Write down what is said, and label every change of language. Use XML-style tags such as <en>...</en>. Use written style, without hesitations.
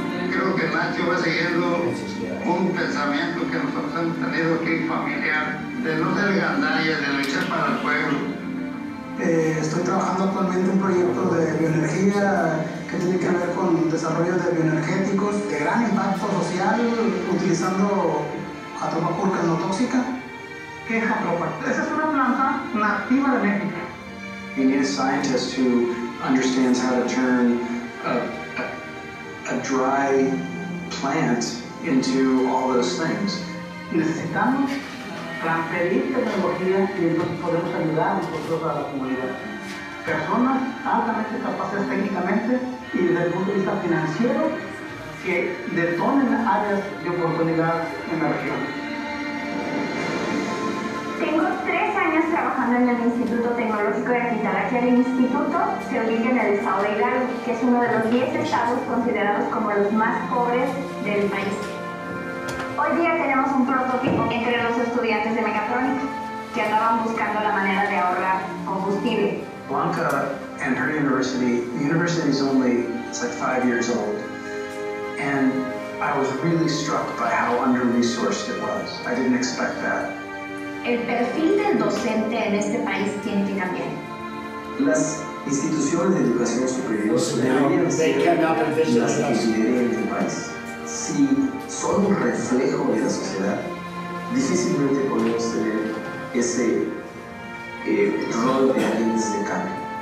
<es>Creo que Nacho va siguiendo un pensamiento que nosotros hemos tenido aquí familiar, de no ser gandalla, de luchar para el pueblo. Estoy trabajando actualmente un proyecto de bioenergía que tiene que ver con desarrollo de bioenergéticos de gran impacto social utilizando atropa pulca no tóxica, quejotropa. Esa es una planta nativa de México.</es> <en>You need a scientist who understands how to turn a dry plant into all those things.</en> <es>Necesitamos transferir tecnología y entonces podemos ayudar nosotros a la comunidad. Personas altamente capaces técnicamente y desde el punto de vista financiero que detonen áreas de oportunidad en la región. Tengo 3 años trabajando en el Instituto Tecnológico de Guitarra, que el instituto se ubica en el estado de Hidalgo, que es uno de los 10 estados considerados como los más pobres del país. Hoy día tenemos un prototipo entre los estudiantes de mecatrónica que andaban buscando la manera de ahorrar combustible.</es> <en>Blanca and her university, the university is only, it's like 5 years old, and I was really struck by how under-resourced it was. I didn't expect that.</en> <es>El perfil del docente en este país tiene que cambiar. Las instituciones de educación superior deberían ser las que lideren el país. Si son un reflejo de la sociedad, difícilmente podemos tener ese rol de agentes de cambio.</es>